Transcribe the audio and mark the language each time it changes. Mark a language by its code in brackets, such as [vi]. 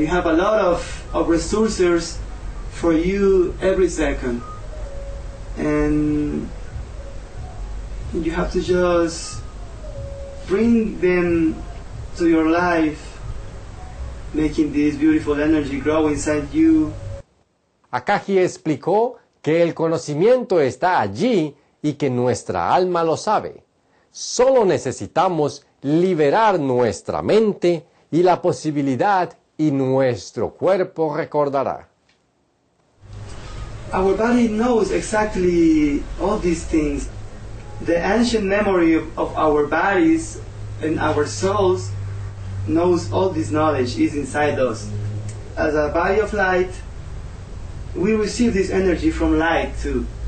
[en] You have a lot of resources for you every second. And you have to just bring them to your life, making this beautiful energy grow inside you. [es] Akagi explicó que el conocimiento está allí y que nuestra alma lo sabe. Solo necesitamos liberar nuestra mente y la posibilidad y nuestro cuerpo recordará. [en] our body knows exactly all these things. The ancient memory of our bodies and our souls knows all this knowledge is inside us. As a body of light, we receive this energy from light too.